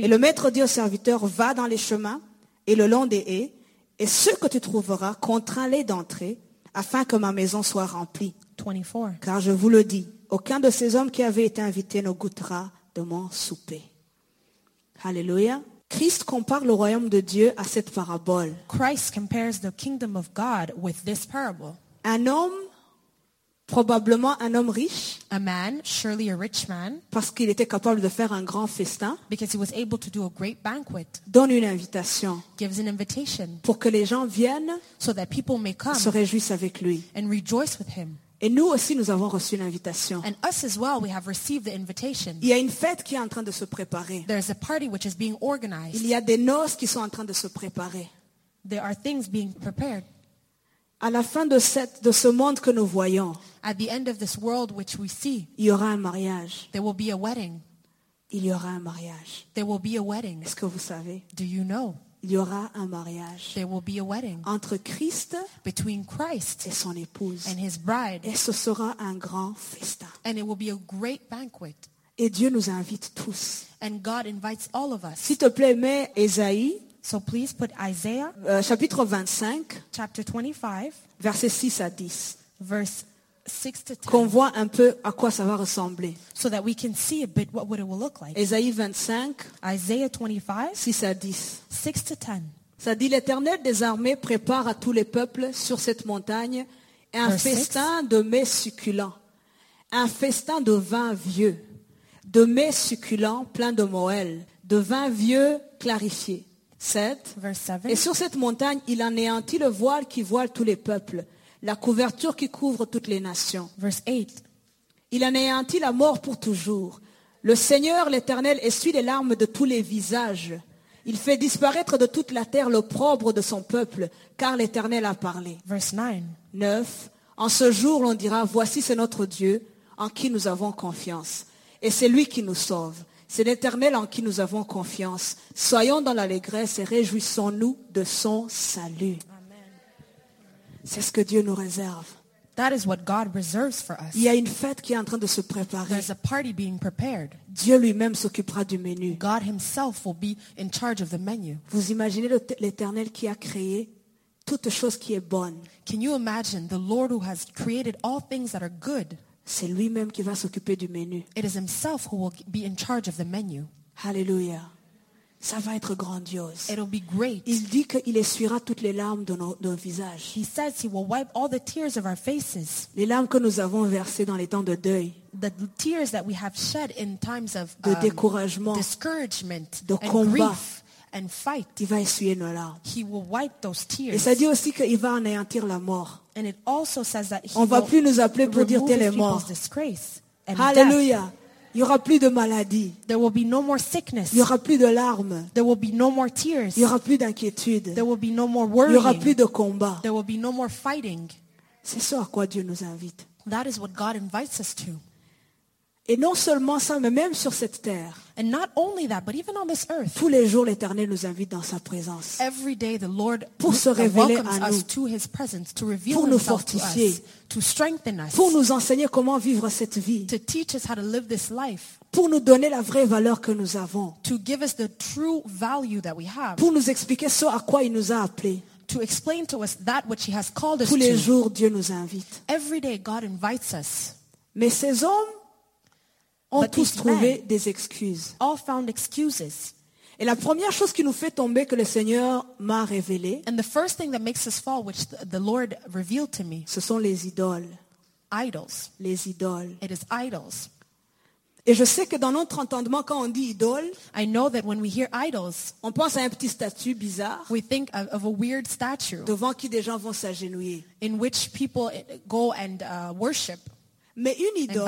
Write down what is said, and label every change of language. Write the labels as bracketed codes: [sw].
[fr] Et le maître dit au serviteur, va dans les chemins et le long des haies, et ceux que tu trouveras, contrains-les d'entrer, afin que ma maison soit remplie. 24. Car je vous le dis, aucun de ces hommes qui avaient été invités ne goûtera de mon souper. Alléluia. Christ compare le royaume de Dieu à cette parabole. [en] Christ compares the kingdom of God with this parable. [fr] Un homme, probablement un homme riche, [en] a man, surely a rich man, [fr] parce qu'il était capable de faire un grand festin, [en] because he was able to do a great banquet, [fr] donne une invitation, [en] gives an invitation, [fr] pour que les gens viennent, [en] so that people may come, [fr] se réjouissent avec lui, [en] and rejoice with him. [fr] Et nous aussi, nous avons reçu l'invitation. [en] And us as well, we have received the invitation. [fr] Il y a une fête qui est en train de se préparer. [en] There is a party which is being organized. [fr] Il y a des noces qui sont en train de se préparer. [en] There are things being prepared. [fr] À la fin de ce monde que nous voyons, [en] at the end of this world which we see, [fr] il y aura un mariage. [en] There will be a wedding. [fr] Il y aura un mariage. [en] There will be a wedding. [fr] Est-ce que vous savez? [en] Do you know? [fr] Il y aura un mariage, [en] there will be a wedding, [fr] entre Christ, [en] between Christ [fr] et son épouse, [en] and his bride, [fr] et ce sera un grand festin, [en] and it will be a great banquet. [fr] Et Dieu nous invite tous, [en] and God invites all of us. [fr] S'il te plaît, mets Esaïe, [en] so please put Isaiah, [fr] chapitre 25, [en] chapter 25, [fr] verset 6 à 10, [en] verse 6 to 10, [fr] qu'on voit un peu à quoi ça va ressembler, [en] so that we can see a bit what it will look like. [fr] Esaïe 25, [en] Isaiah 25, [fr] 6 à 10. [en] 6 to 10. [fr] Ça dit, l'Éternel des armées prépare à tous les peuples sur cette montagne un festin de mets succulents, un festin de vin vieux, de mets succulents plein de moëlle, de vin vieux clarifié. 7. [en] Verse 7. [fr] Et sur cette montagne, il anéantit le voile qui voile tous les peuples, la couverture qui couvre toutes les nations. [en] Verse 8. [fr] Il anéantit la mort pour toujours. Le Seigneur, l'Éternel, essuie les larmes de tous les visages. Il fait disparaître de toute la terre l'opprobre de son peuple, car l'Éternel a parlé. [en] Verse 9. [fr] 9. En ce jour, l'on dira, voici c'est notre Dieu en qui nous avons confiance. Et c'est lui qui nous sauve. C'est l'Éternel en qui nous avons confiance. Soyons dans l'allégresse et réjouissons-nous de son salut. Amen. C'est ce que Dieu nous réserve. [en] That is what God reserves for us. [fr] Il y a une fête qui est en train de se préparer. [en] There's a party being prepared. [fr] Dieu lui-même s'occupera du menu. [en] God himself will be in charge of the menu. [fr] Vous imaginez l'Éternel qui a créé toute chose qui est bonne. [en] Can you imagine the Lord who has created all things that are good? [fr] C'est lui-même qui va s'occuper du menu. [en] It is himself who will be in charge of the menu. [fr] Hallelujah. Ça va être grandiose. [en] It'll be great. [fr] Il dit qu'il essuiera toutes les larmes de nos visages. [en] He says he will wipe all the tears of our faces. [fr] Les larmes que nous avons versées dans les temps de deuil. [en] The tears that we have shed in times of [fr] de découragement, [en] discouragement, [fr] de [en] and [fr] combat, [en] grief, and fight. [fr] Il va essuyer nos larmes. [en] He will wipe those tears. [fr] Et ça dit aussi qu'il va anéantir la mort. [en] And it also says that he [fr] on va plus nous appeler pour dire t'es mort. Hallelujah. Il n'y aura plus de maladie. [en] There will be no more sickness. [fr] Il n'y aura plus de larmes. [en] There will be no more tears. [fr] Il n'y aura plus d'inquiétude. [en] There will be no more worrying. [fr] Il n'y aura plus de combat. [en] There will be no more fighting. [fr] C'est ce à quoi Dieu nous invite. [en] That is what God invites us to. [fr] Et non seulement ça, mais même sur cette terre. [en] And not only that, but even on this earth. [fr] Tous les jours, l'Éternel nous invite dans sa présence. [en] Every day, the Lord [fr] pour se révéler [en] welcomes [fr] à nous, [en] us to his presence, to reveal [fr] pour [en] himself [fr] nous fortifier, [en] to us, to strengthen us, [fr] pour nous enseigner comment vivre cette vie, [en] to teach us how to live this life, [fr] pour nous donner la vraie valeur que nous avons, [en] to give us the true value that we have, [fr] pour nous expliquer ce à quoi il nous a appelés. [en] To explain to us that which he has called us [fr] tous les [en] to. [fr] Jours, Dieu nous invite. [en] Every day, God invites us. [fr] Mais ces hommes ont [en] but [fr] tous trouvé des excuses. [en] All found excuses. [fr] Et la première chose qui nous fait tomber que le Seigneur m'a révélé, [en] and the first thing that makes us fall, which the Lord revealed to me, [fr] ce sont les idoles. [en] Idols. [fr] Les idoles. [en] It is idols. [fr] Et je sais que dans notre entendement, quand on dit idole, [en] I know that when we hear idols, [fr] on pense à un petit statue bizarre, [en] we think of a weird statue, [fr] devant qui des gens vont s'agenouiller, [en] in which people go and worship. [fr] Mais une idole,